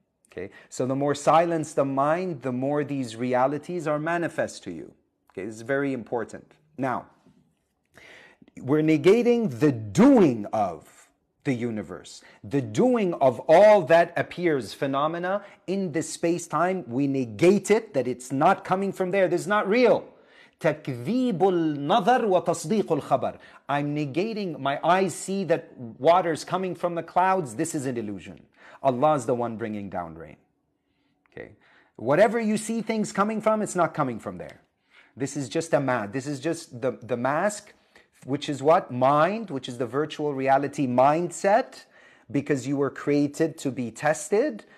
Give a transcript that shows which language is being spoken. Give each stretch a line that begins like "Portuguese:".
English: Okay, so the more silence the mind, the more these realities are manifest to you. Okay, this is very important. Now, we're negating the doing of the universe, the doing of all that appears, phenomena in the space-time. We negate it, that it's not coming from there. This is not real.
Arabic: تكذيب النظر وتصديق الخبر.
English: I'm negating, my eyes see that water is coming from the clouds. This is an illusion. Allah is the one bringing down rain. Okay, whatever you see things coming from, it's not coming from there. This is just a mask. This is just the mask, which is what? Mind, which is the virtual reality mindset, because you were created to be tested.